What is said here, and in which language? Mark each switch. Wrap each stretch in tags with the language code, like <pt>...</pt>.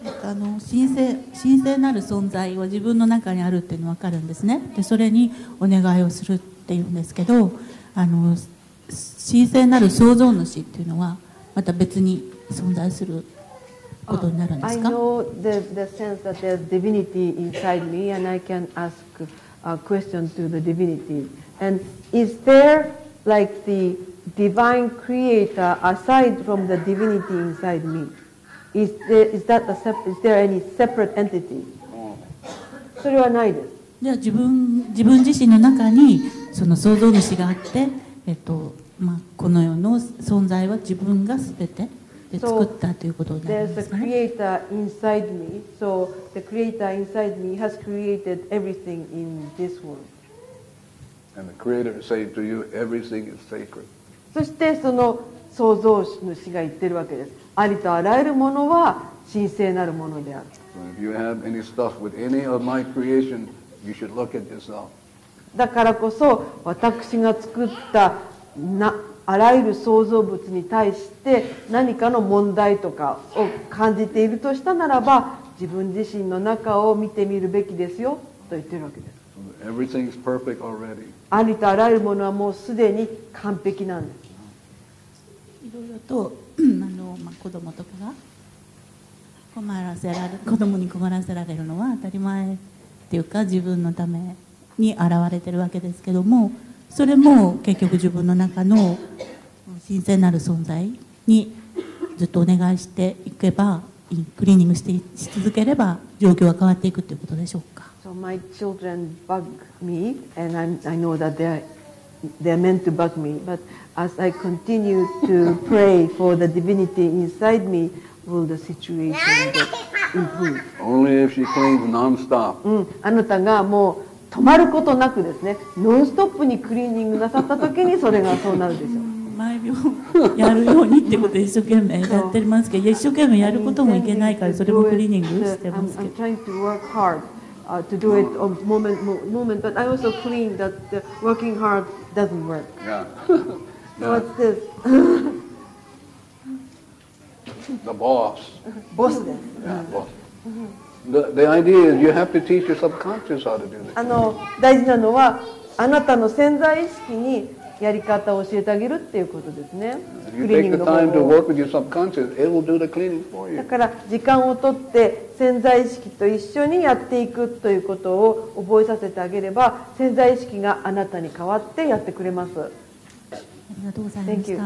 <ja>神聖なる存在は自分の中にあるっていうのが分かるんですね。でそれにお願いをするっていうんですけど、神聖なる創造主っていうのはまた別に存在することになるんですか？</ja> <en>I know the sense that there's divinity inside me and I can ask a question to the divinity. And is there like the divine creator aside from the divinity inside me? Is there any separate entity?</en> <ja>それはないです。じゃあ自分自身の中にその創造主があって、まあ、この世の存在は自分が全てで作ったということになりますね。</ja> <en>So there's a creator inside me. So the creator inside me has created everything in this world. And the creator said to you, everything is sacred.</en> <ja>そしてその創造主が言ってるわけです。ありとあらゆるものは神聖なるものである。</ja> <en>So if you have any stuff with any of my creation, you should look at yourself.</en> <ja>だからこそ私が作ったあらゆる創造物に対して何かの問題とかを感じているとしたならば自分自身の中を見てみるべきですよと言っているわけです。</ja> <en>Everything is perfect already.</en> <ja>ありとあらゆるものはもうすでに完璧なんです。いろいろと子供とかが困らせられ子供に困らせられるのは当たり前っていうか自分のために現れてるわけですけども、それも結局自分の中の神聖なる存在にずっとお願いしていけばクリーニングして し続ければ状況は変わっていくということでしょうか。</ja> <en>So my children bug me and I know that they're meant to bug me, but as I continue to pray for the divinity inside me, will the situation improve? Only if she cleans non-stop.</en> <ja>あなたがもう止まることなくですね、ノンストップにクリーニングなさったときにそれがそうなるでしょう。毎秒やるようにってことで一生懸命やってますけど、一生懸命やることもいけないからそれもクリーニングしてますけど。</ja> <en>I'm trying to work hard to do it on moment, but I also clean that the working hard doesn't work. Yeah. What's this? The boss.</en> <ja>Boss です。</ja> <en>Yeah, boss. The idea is you have to teach your subconscious how to do this.</en> <ja>大事なのはあなたの潜在意識にやり方を教えてあげるっていうことですね。</ja> <en>You take the time to work with your subconscious, it will do the cleaning for you.</en> <ja>だから時間を取って潜在意識と一緒にやっていくということを覚えさせてあげれば、潜在意識があなたに代わってやってくれます。ありがとうございました。</ja>